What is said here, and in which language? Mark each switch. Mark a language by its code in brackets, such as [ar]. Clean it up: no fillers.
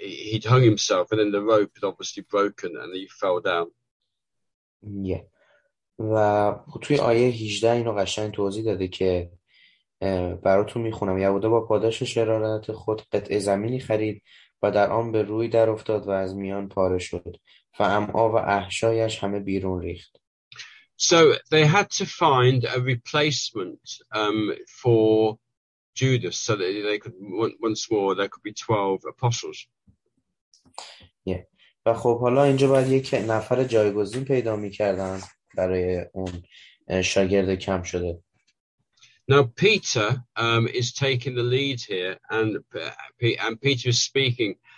[en] He'd hung himself, and then the rope had obviously broken, and he fell down. [fa] Yeah. و توی آیه 18 اینو قشنگ توضیح داده که براتون میخونم. یهودا با پاداش شرارت خود قطعه زمینی خرید و در آن به روی در افتاد و از میان پاره شد و امعا و احشایش همه بیرون ریخت. [en] So they had to find a replacement for Judas, so that they could once more there could be 12 apostles. Yeah. [fa] و خب حالا اینجا باید یک نفر جایگزین پیدا می‌کردن برای اون شاگرد کم شده. [en] Now Peter is taking the lead here, and Peter is speaking,